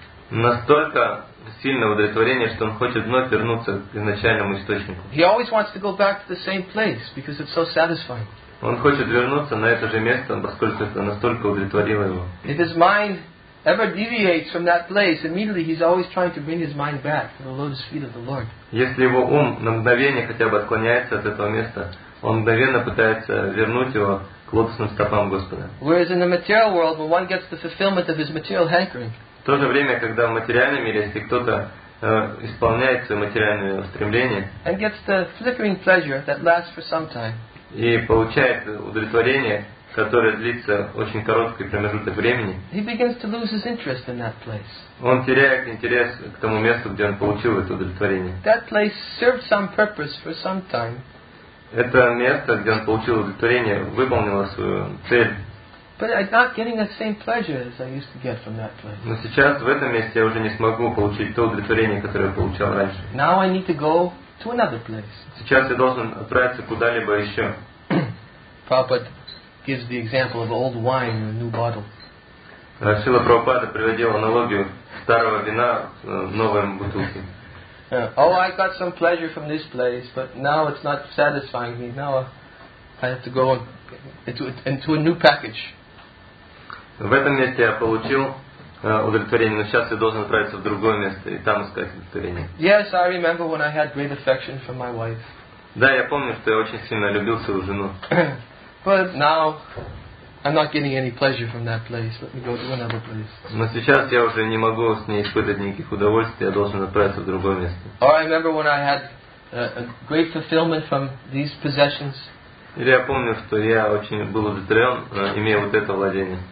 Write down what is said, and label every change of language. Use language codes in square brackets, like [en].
[ru] Настолько сильное удовлетворение, что он хочет вновь вернуться к изначальному источнику. [en] He always wants to go back to the same place because it's so satisfying. [ru] Он хочет вернуться на это же место, поскольку это настолько удовлетворило его. [en] If his mind ever deviates from that place, immediately he's always trying to bring his mind back to the lotus feet of the Lord. [ru] Если его ум на мгновение хотя бы отклоняется от этого места, он мгновенно пытается вернуть его к лотосным стопам Господа. [en] Whereas in the material world, when one gets the fulfillment of his material hankering, [ru] в то же время, когда в материальном мире, если кто-то исполняет свои материальные устремления, [en] and gets the flickering pleasure that lasts for some time, [ru] и получает удовлетворение, которое длится очень короткий промежуток времени, [en] he begins to lose his interest in that place. [ru] Он теряет интерес к тому месту, где он получил это удовлетворение. [en] That place served some purpose for some time. [ru] Это место, где он получил удовлетворение, выполнило свою цель. [en] But I'm not getting the same pleasure as I used to get from that place. [ru] Но сейчас в этом месте я уже не смогу получить то удовлетворение, которое я получал раньше. [en] Now I need to go to another place. [ru] Сейчас я должен отправиться куда-либо еще. [en] Prabhupada gives the example of old wine in a new bottle. [ru] Шрила Прабхупада приводил аналогию старого вина в новой бутылке. [en] Oh, I got some pleasure from this place, but now it's not satisfying me. Now I have to go into a new package. [ru] В этом месте я получил удовлетворение, но сейчас я должен отправиться в другое место и там искать удовлетворение. [en] Yes, I remember when I had great affection for my wife. [ru] Да, я помню, что я очень сильно любил свою жену. [en] But now I'm not getting any pleasure from that place. Let me go to another place. [ru] Но сейчас я уже не могу с ней испытывать никаких удовольствий. Я должен отправиться в другое место. [en] Or I remember when I had a great fulfillment from these possessions. [ru] Или я помню, что я очень был удовлетворен, имея вот это владение.